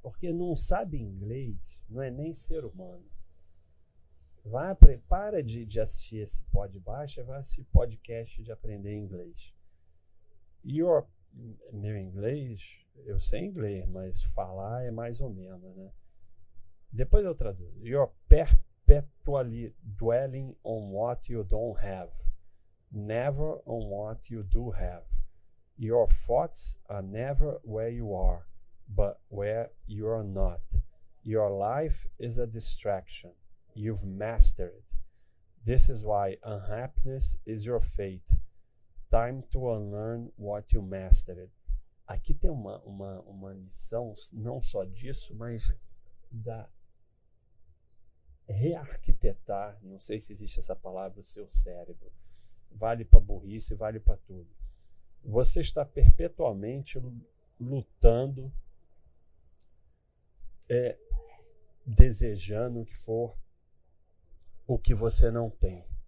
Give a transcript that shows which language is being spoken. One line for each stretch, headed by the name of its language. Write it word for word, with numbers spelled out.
Portuguese: Porque não sabe inglês, não é nem ser humano. Vai, prepara de, de assistir esse pod baixa, vai assistir podcast de aprender inglês. Your, meu inglês, eu sei inglês, mas falar é mais ou menos, né? Depois eu traduzo.
English: You're perpetually dwelling on what you don't have. Never on what you do have. Your thoughts are never where you are, but where you are not. Your life is a distraction. You've mastered it. This is why unhappiness is your fate. Time to unlearn what you mastered.
Portuguese: Aqui tem uma, uma, uma lição, não só disso, mas da... rearquitetar, não sei se existe essa palavra, o seu cérebro. Vale para burrice, vale para tudo. Você está perpetuamente lutando, é, desejando o que for, o que você não tem.